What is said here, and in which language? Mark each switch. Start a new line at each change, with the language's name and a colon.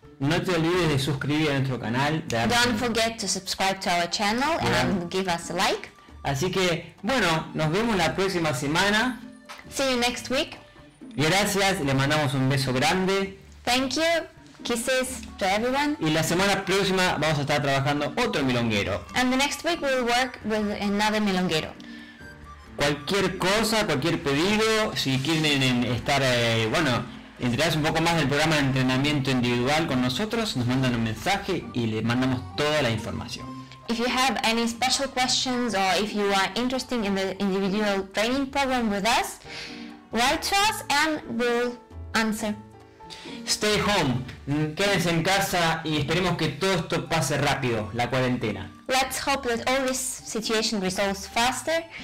Spanish: No te olvides de suscribir a nuestro canal.
English: Don't forget to subscribe to our channel and give us a like.
Spanish: Así que, bueno, nos vemos la próxima semana.
English: See you next week.
Spanish: Gracias, le mandamos un beso grande.
English: Thank you. Kisses to everyone.
Spanish: Y la semana próxima vamos a estar trabajando otro milonguero.
English: And the next week we'll work with another milonguero.
Spanish: Cualquier cosa, cualquier pedido, si quieren estar, enterarse un poco más del programa de entrenamiento individual con nosotros, nos mandan un mensaje y les mandamos toda la información.
English: If you have any special questions or if you are interested in the individual training program with us, write to us and we'll answer. Stay home.
Spanish: Quédense en casa y esperemos que todo esto pase rápido, la cuarentena.
English: Let's hope that all this situation resolves faster.